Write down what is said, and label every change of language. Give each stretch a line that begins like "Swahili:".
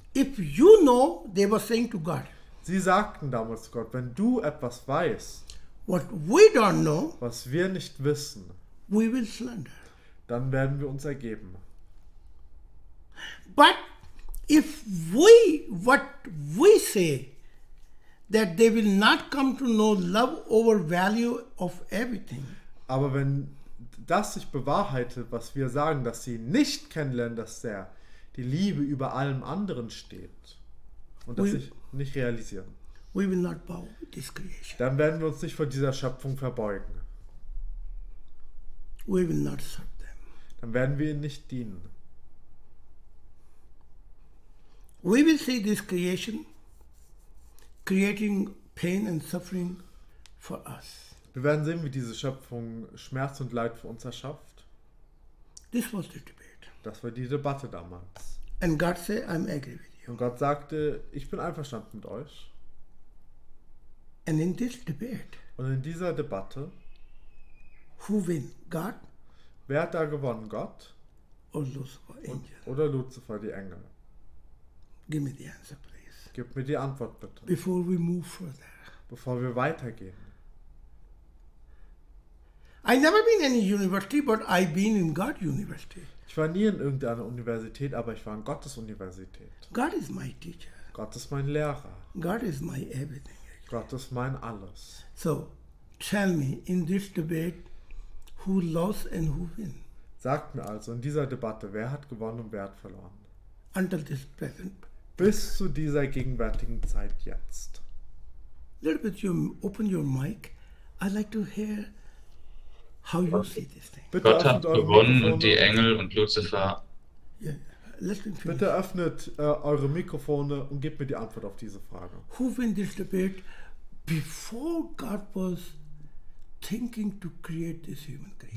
English: If you know, they were saying to God.
German: Sie sagten damals zu Gott, wenn du etwas weißt.
English: What we don't know.
German: Was wir nicht wissen.
English: We will surrender.
German: Dann werden wir uns ergeben.
English: But if we, what we say, that they will not come to know love over value of everything.
German: Aber wenn das sich bewahrheitet, was wir sagen, dass sie nicht kennenlernen, dass der die Liebe über allem anderen steht und das sich nicht realisieren.
English: We will not bow this creation.
German: Dann werden wir uns nicht vor dieser Schöpfung verbeugen.
English: We will not serve them.
German: Dann werden wir ihnen nicht dienen.
English: We will see this creation creating pain and suffering for us.
German: Wir werden sehen, wie diese Schöpfung Schmerz und Leid für uns erschafft.
English: This was the debate.
German: Das war die Debatte damals.
English: And God said, I'm angry with you.
German: Und Gott sagte, ich bin einverstanden mit euch.
English: And in this debate,
German: und in dieser Debatte,
English: who win? God?
German: Wer hat da gewonnen, Gott
English: Lucifer, Angel.
German: Oder Lucifer, die Engel?
English: Give me the answer, please.
German: Gib mir die Antwort bitte.
English: Before we move further.
German: Bevor wir weitergehen.
English: I never been in any university, but I been in God University.
German: Ich war nie in irgendeiner Universität, aber ich war in Gottes Universität.
English: God is my teacher.
German: Gott ist mein Lehrer.
English: God is my everything.
German: Gott ist mein alles.
English: So, tell me in this debate, who lost and who win?
German: Sagt mir also in dieser Debatte, wer hat gewonnen und wer hat verloren?
English: Until this present.
German: Bis zu dieser gegenwärtigen Zeit jetzt.
English: Little bit, you open your mic. I'd like to hear. How you see this thing.
German: Bitte Gott hat gewonnen und die Engel und Lucifer. Yeah. Bitte öffnet eure Mikrofone und gebt mir die Antwort auf diese Frage.
English: Who win this debate before God was thinking to create this human creation?